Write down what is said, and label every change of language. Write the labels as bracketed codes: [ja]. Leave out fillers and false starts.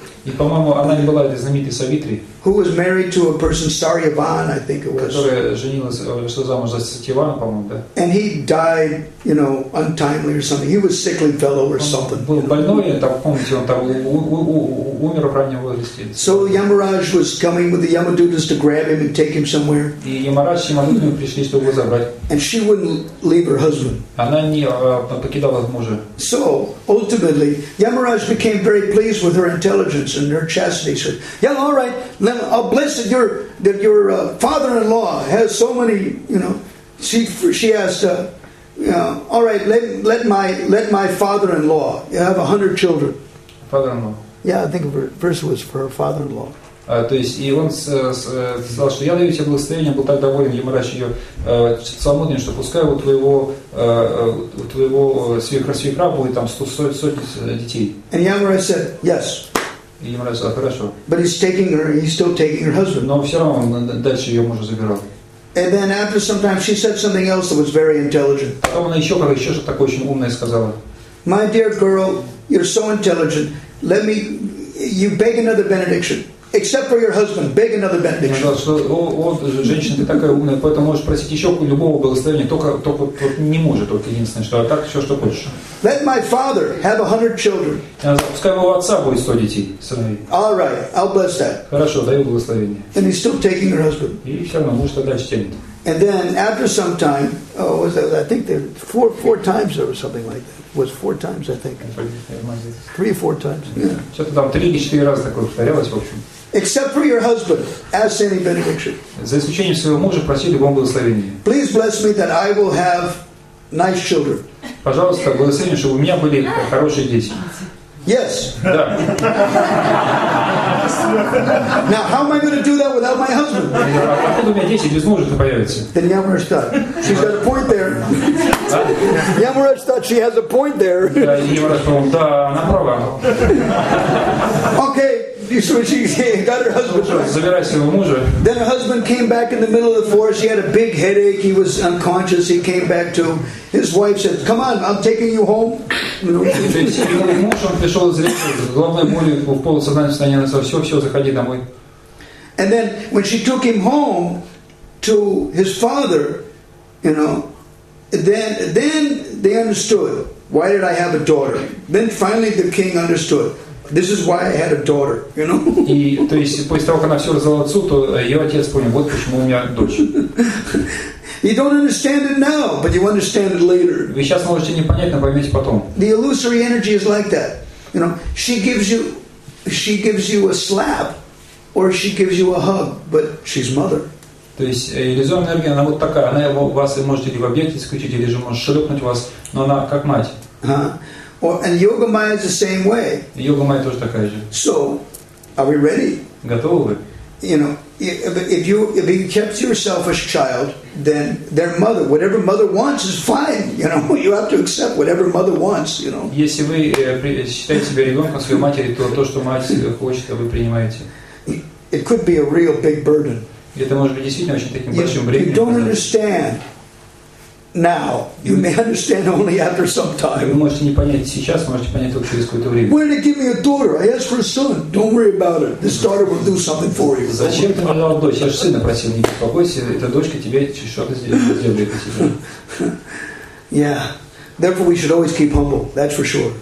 [ru] И, по-моему, она не была этой знаменитой Савитри. [en] Who was married to a person, Saryavan, I think it was. [ru] Которая женилась, вышла замуж за Сативана, по-моему, да. [en] And he died, you know, untimely or something. He was sickly fellow or [ru] он [en] something. [ru] Был больной, там, помните, он там умер в раннем возрасте. [en] So Yamaraj was coming with the Yamadutas to grab him and take him somewhere. [ru] И Yamaraj с Yamadutami пришли, чтобы его забрать. [en] And she wouldn't leave her husband. [ru] Она не покидала мужа. [en] So ultimately, Yamaraj became very pleased with her intelligence and her chastity. Said, "Yeah, all right, then I'll bless that your father-in-law has so many, you know." She asked, "All right, let my father-in-law have 100 children." Father-in-law. Yeah, I think first it was for her father-in-law. [ru] То есть, и он сказал, что я даю тебе благословение, был так доволен Yamaraj ее свободным, что пускай у твоего свекра будет там 100 детей. [en] And Yamaraj said, yes. [ru] И Yamaraj сказал, хорошо. [en] But he's taking her, he's still taking her husband. [ru] Но все равно он дальше ее мужа забирал. [en] And then after some time she said something else that was very intelligent. [ru] Потом она еще что-то такое очень умное сказала. [en] My dear girl, you're so intelligent. Let me, you beg another benediction. Except for your husband, beg another benediction. [ru] Что, женщина, ты такая умная, поэтому можешь просить еще любого благословения, только вот не может, только единственное, что, а так все, что хочешь. [en] Let my father have 100 children. [ru] Пускай его отца будет 100 детей, сыновей. [en] All right, I'll bless that. [ru] Хорошо, даю благословение. [en] And he's still taking her husband. [ru] И все равно муж тогда тянет. [en] And then after some time, oh, was that? I think there four times or something like that. Was four times, I think. Three or four times. Yeah. [ru] Что-то там три или четыре раза такое повторялось, в общем. [en] Except for your husband, ask any benediction. [ru] За исключением своего мужа, проси любого благословения. [en] Please bless me that I will have nice children. [ru] Пожалуйста, благослови меня, чтобы у меня были хорошие дети. [en] Yes. [ru] Да. [en] Now, how am I going to do that without my husband? [ru] Откуда у меня дети без мужа появятся? [en] Then Yamaraj thought she's got a point there. Yamaraj thought she has a point there. Yamaraj thought, [ru] да, она права. [en] Okay. So she got her husband. [ru] Забирай своего мужа. [en] Then her husband came back in the middle of the forest. He had a big headache. He was unconscious. He came back to him. His wife said, "Come on, I'm taking you home." [ru] Муж, он пришел из леса, головной болью, в полусознательном состоянии, он сказал, "Все, заходи домой." [en] And then when she took him home to his father, you know, then they understood, why did I have a daughter? Then finally the king understood. This is why I had a daughter, you know. [ru] И то есть после того, как она все рассказала отцу, то ее отец понял, вот почему у меня дочь. [en] You don't understand it now, but you understand it later. [ru] Вы сейчас можете не понять, но поймете потом. [en] The illusory energy is like that, you know. She gives you a slap, or she gives you a hug, but she's mother. [ru] То есть иллюзорная энергия, она вот такая, она его вас может или в объекте исключить, или же может шлепнуть вас, но она как мать. [en] And Yoga Maya is the same way. [ru] Yoga Maya тоже такая же. [en] So, are we ready? [ru] Готовы? [en] You know, if you kept yourself as a child, then their mother, whatever mother wants is fine. You know, you have to accept whatever mother wants. You know. [ru] Если вы считаете себя ребенком своей матери, то что мать хочет, вы принимаете. [en] It could be a real big burden. [ru] Это может быть действительно очень таким большим бременем. [en] You don't understand. Now you may understand only after some time. [ru] Вы можете не понять сейчас, можете понять только через какое-то время. [en] Why did you give me a daughter? I asked for a son. Don't worry about it. This daughter will do something for you. [ru] Зачем ты мне дал дочь? Я же сына просил. Не беспокойся, эта дочка тебе что-то сделает для тебя. [en] Yeah. Therefore, we should always keep humble. That's for sure.